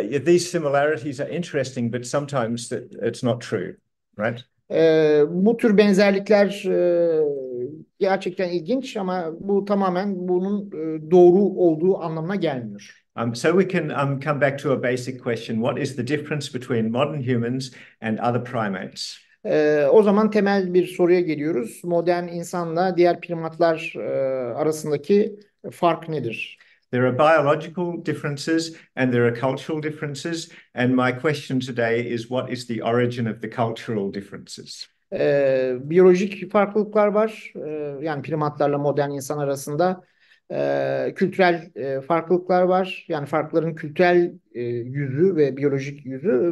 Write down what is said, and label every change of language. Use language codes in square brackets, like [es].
[en] these similarities are interesting, but sometimes it's not true, right? [tr] Bu tür benzerlikler gerçekten ilginç ama bu tamamen bunun doğru olduğu anlamına gelmiyor. [en] So we can come back to a basic question. What is the difference between modern humans and other primates? [tr] O zaman temel bir soruya geliyoruz. Modern insanla diğer primatlar arasındaki fark nedir? [en] There are biological differences and there are cultural differences. And my question today is what is the origin of the cultural differences? [tr] Biyolojik farklılıklar var. Yani primatlarla modern insan arasında kültürel farklılıklar var. Yani farkların kültürel yüzü ve biyolojik yüzü.